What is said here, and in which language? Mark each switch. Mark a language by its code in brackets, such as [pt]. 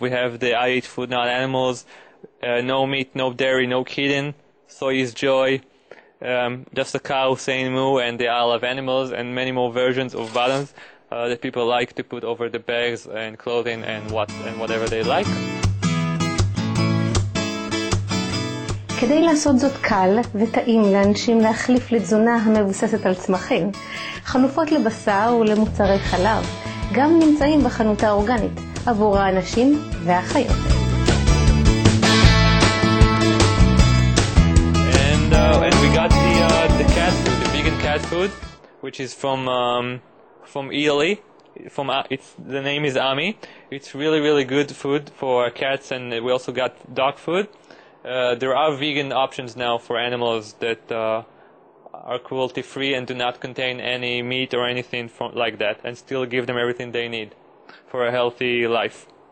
[en] We have the I eat food, not animals, no meat, no dairy, no kidding, soy is joy, just a cow saying moo, and the I love animals, and many more versions of buttons that people like to put over the bags and clothing and whatever they like. [he] כדי לעשות זאת קל וטעים לאנשים להחליף לתזונה המבוססת על צמחים, חנופות לבשר ולמוצרי חלב גם נמצאים בחנות האורגנית עבור האנשים והחיות. [en] And we got the cat food, the vegan cat food, which is from Italy, from it's the name is Ami. It's really really good food for cats, and we also got dog food. There are vegan options now for animals that are cruelty free and do not contain any meat or anything from, like that, and still give them everything they need for a healthy life.